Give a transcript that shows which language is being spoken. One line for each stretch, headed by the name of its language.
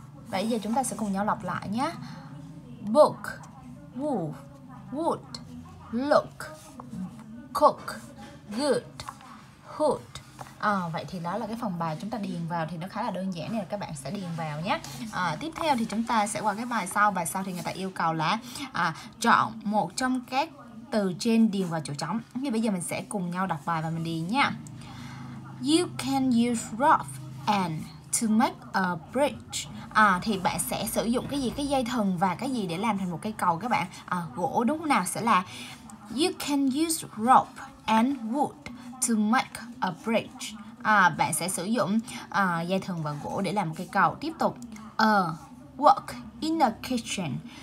Vietnamese: Bây giờ chúng ta sẽ cùng nhau lặp lại nhé.
English: Book, wood, wood, look, cook, good, hood.
Vietnamese: Vậy thì đó là cái phần bài chúng ta điền vào, thì nó khá là đơn giản nên là các bạn sẽ điền vào nhé. Tiếp theo thì chúng ta sẽ qua cái bài sau. Bài sau thì người ta yêu cầu là chọn một trong các từ trên điền vào chỗ trống. Như bây giờ mình sẽ cùng nhau đọc bài và mình điền nhé.
English: You can use rough and to make a bridge.
Vietnamese: Thì bạn sẽ sử dụng cái gì? Cái dây thừng và cái gì để làm thành một cây cầu các bạn? Gỗ đúng không nào? Sẽ là
English: you can use rope and wood to make a bridge.
Vietnamese: Bạn sẽ sử dụng dây thừng và gỗ để làm một cây cầu. Tiếp tục,
English: work in the kitchen.